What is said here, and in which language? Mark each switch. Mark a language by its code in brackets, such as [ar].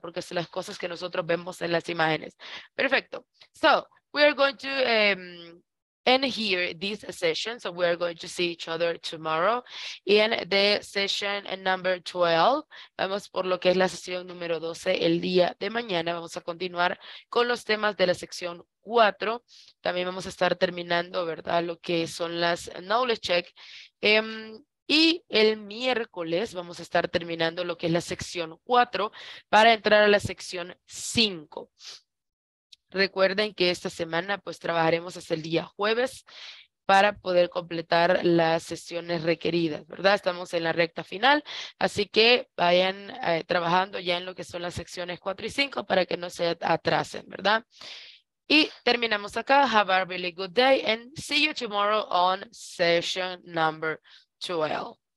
[es] Porque son las cosas que nosotros vemos en las imágenes. Perfecto. [en] So, we are going to end here this session. So we are going to see each other tomorrow in the session number 12. [es] Vamos por lo que es la sesión número 12 el día de mañana. Vamos a continuar con los temas de la sección 4. También vamos a estar terminando, ¿verdad?, lo que son las knowledge check. Y el miércoles vamos a estar terminando lo que es la sección 4 para entrar a la sección 5. Recuerden que esta semana pues trabajaremos hasta el día jueves para poder completar las sesiones requeridas, ¿verdad? Estamos en la recta final, así que vayan trabajando ya en lo que son las secciones 4 y 5 para que no se atrasen, ¿verdad? Y terminamos acá. [en] Have a really good day and see you tomorrow on session number 12.